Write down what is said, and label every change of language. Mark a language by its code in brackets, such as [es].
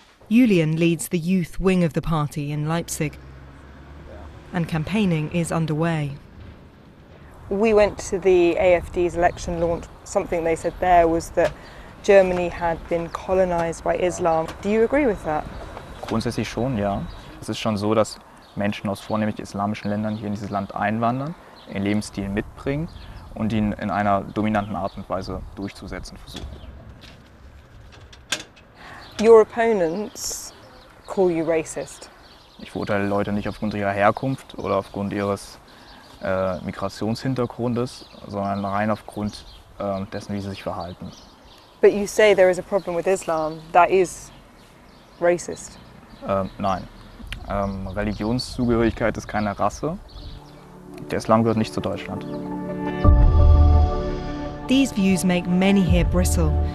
[en] Julian leads the youth wing of the party in Leipzig, and campaigning is underway. We went to the AfD's election launch. Something they said there was that Germany had been colonized by Islam. Do you agree with that? [de] Grundsätzlich schon, ja. Es ist schon so, dass Menschen aus vornehmlich islamischen Ländern hier in dieses Land einwandern, ihren Lebensstil mitbringen und ihn in einer dominanten Art und Weise durchzusetzen versuchen. [en] Your opponents call you racist. [de] Ich verurteile Leute nicht aufgrund ihrer Herkunft oder aufgrund ihres Migrationshintergrundes, sondern rein aufgrund dessen, wie sie sich verhalten. [en] But you say there is a problem with Islam that is racist. [de] Nein. Religionszugehörigkeit ist keine Rasse. Der Islam gehört nicht zu Deutschland. [en] These views make many here bristle.